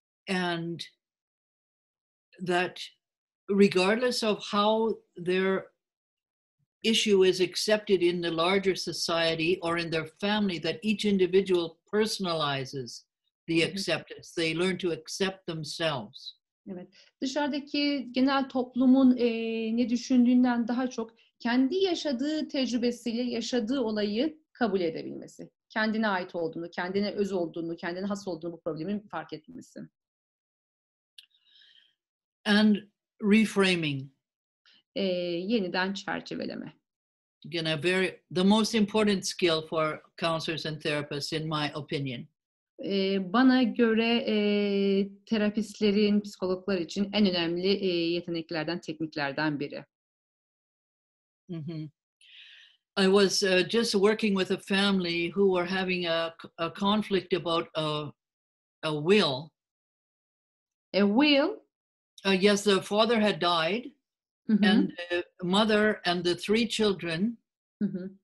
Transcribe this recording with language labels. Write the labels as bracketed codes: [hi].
[en] and that regardless of how their issue is accepted in the larger society or in their family, that each individual personalizes the acceptance. They learn to accept themselves. [tr] Evet. Dışarıdaki genel toplumun ne düşündüğünden daha çok kendi yaşadığı tecrübesiyle yaşadığı olayı kabul edebilmesi. Kendine ait olduğunu, kendine öz olduğunu, kendine has olduğunu bu problemin fark etmesi. [en] And reframing. [tr] Yeniden çerçeveleme. [en] Again, the most important skill for counselors and therapists in my opinion. [tr] Bana göre terapistlerin, psikologlar için en önemli yeteneklerden, tekniklerden biri. Mm-hmm. [en] I was just working with a family who were having a conflict about a will. A will? Yes, the father had died, mm-hmm. and the mother and the three children mm-hmm.